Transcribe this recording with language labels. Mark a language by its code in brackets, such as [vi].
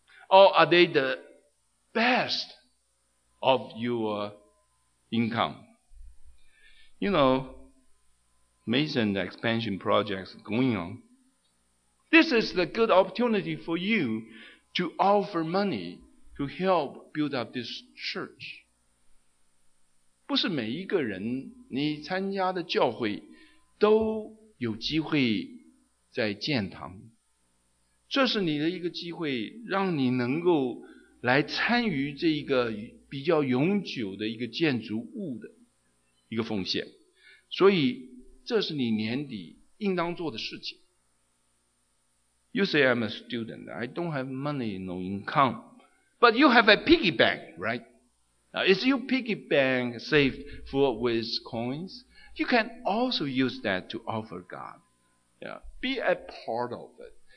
[en] Or are they the best of your income? You know, Mason expansion projects going on. This is the good opportunity for you to offer money to help build up this church. [zh] 不是每一个人你参加的教会都有机会在建堂，这是你的一个机会，让你能够来参与这一个比较永久的一个建筑物的一个奉献，所以这是你年底应当做的事情。 [en] You say I'm a student, I don't have money, no income, but you have a piggy bank, right? Now, is your piggy bank saved full with coins? You can also use that to offer God. Yeah, be a part of it.